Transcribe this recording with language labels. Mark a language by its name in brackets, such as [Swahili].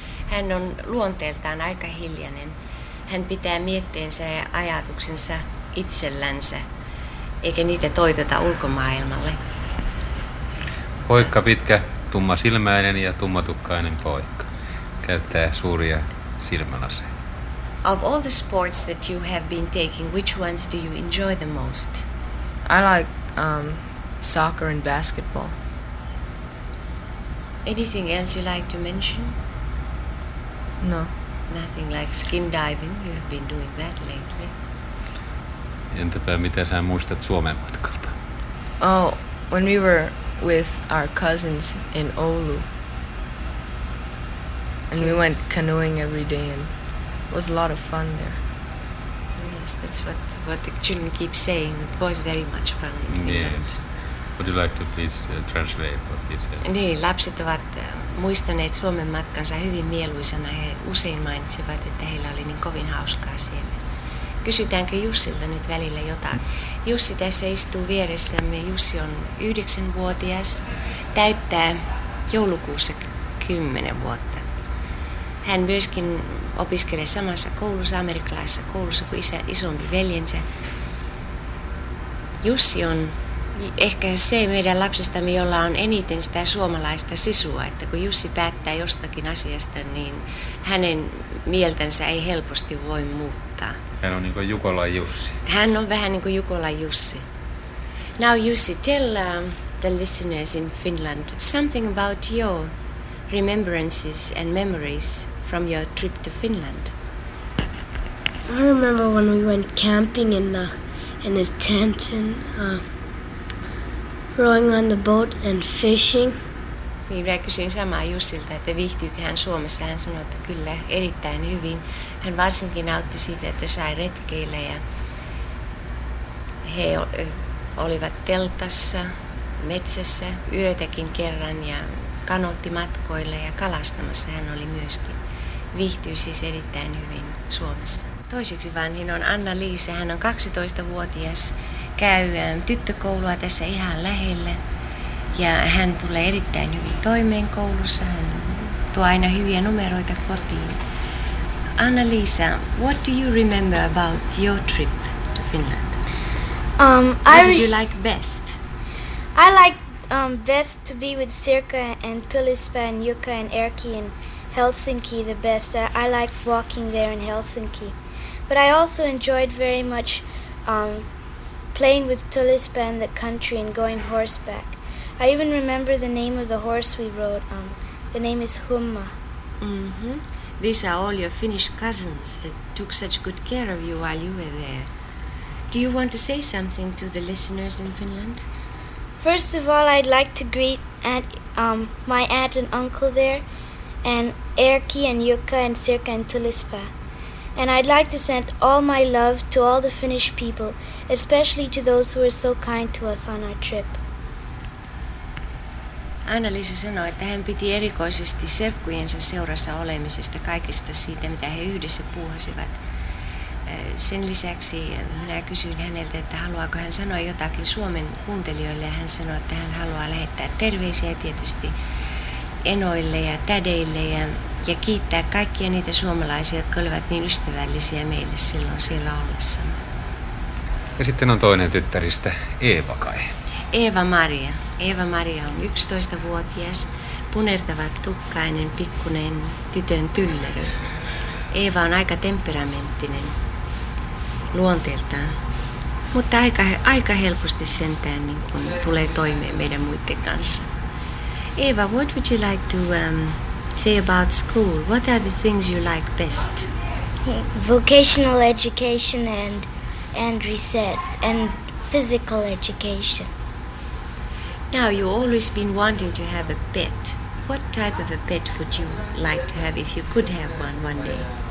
[Finnish] Hän on luonteeltaan aika hiljainen. Hän pitää mietteensä ja ajatuksensa itsellänsä. Eikä niitä toitota ulkomaailmalle. Poikka pitkä, tumma silmäinen ja tummatukkainen poikka. Käyttää suuria silmälaseja. [English] Of all the sports that you have been taking, which ones do you enjoy the most? I like soccer and basketball. Anything else you like to mention? No. Nothing like skin diving. You have been doing that lately. [Finnish] Entäpä mitä sä muistat Suomen matkalta? [English] Oh, when we were with our cousins in Oulu. And we went canoeing every day, and it was a lot of fun there. Yes, that's what the children keep saying. It was very much fun. Would you like to please translate what he said? [Finnish] Niin, lapset ovat muistaneet Suomen matkansa hyvin mieluisena. He usein mainitsivat, että heillä oli niin kovin hauskaa siellä. Kysytäänkö Jussilta nyt välillä jotain? Jussi tässä istuu vieressämme. Jussi on 9-vuotias, täyttää joulukuussa 10 vuotta. Hän myöskin opiskelee samassa koulussa, amerikkalaisessa koulussa, kuin isä, isompi veljensä. Jussi on ehkä se meidän lapsestamme, jolla on eniten sitä suomalaista sisua, että kun Jussi päättää jostakin asiasta, niin hänen mieltänsä ei helposti voi muuttaa. Hän on niin kuin Jukolan Jussi. Hän on vähän niin kuin Jukolan Jussi. [English] Now Jussi, tell the listeners in Finland something about your remembrances and memories from your trip to Finland. I remember when we went camping in the tent and rowing on the boat and fishing. [Finnish] Niin mä kysyin samaa Jussilta, että viihtyykö hän Suomessa. Hän sanoi, että kyllä, erittäin hyvin. Hän varsinkin nautti siitä, että sai retkeillä ja he olivat teltassa, metsässä, yötäkin kerran ja kanootti matkoille ja kalastamassa hän oli myöskin. Viihtyi siis erittäin hyvin Suomessa. Toiseksi vanhin on Anna-Liisa. Hän on 12-vuotias, käy tyttökoulua tässä ihan lähellä. Ja hän tulee erittäin hyvin toimeen koulussa. Hän tuo aina hyviä numeroita kotiin. [English] Anna-Liisa, what do you remember about your trip to Finland? What did you like best? I like best to be with Sirka and Tulispa and Jukka and Erki in Helsinki the best. I like walking there in Helsinki. But I also enjoyed very much playing with Tulispa in the country and going horseback. I even remember the name of the horse we rode. The name is Humma. Mm-hmm. These are all your Finnish cousins that took such good care of you while you were there. Do you want to say something to the listeners in Finland? First of all, I'd like to greet my aunt and uncle there, and Erki and Jukka and Sirka and Tulispa. And I'd like to send all my love to all the Finnish people, especially to those who were so kind to us on our trip. [Finnish] Anna-Liisa sanoi, että hän piti erikoisesti serkkujensa seurassa olemisesta, kaikista siitä, mitä he yhdessä puuhasivat. Sen lisäksi minä kysyin häneltä, että haluaako hän sanoa jotakin Suomen kuuntelijoille, ja hän sanoi, että hän haluaa lähettää terveisiä tietysti enoille ja tädeille ja kiittää kaikkia niitä suomalaisia, jotka olivat niin ystävällisiä meille silloin siellä ollessamme. Ja sitten on toinen tyttäristä, Eeva kai. Eeva-Maria. Eeva-Maria on 11-vuotias, punertava tukkainen, pikkunen tytön tyllerö. Eeva on aika temperamenttinen luonteeltaan, mutta aika helposti sentään niin kuin tulee toimeen meidän muiden kanssa. [English] Eeva, what would you like to say about school? What are the things you like best? Vocational education and recess and physical education. Now, you've always been wanting to have a pet. What type of a pet would you like to have if you could have one day?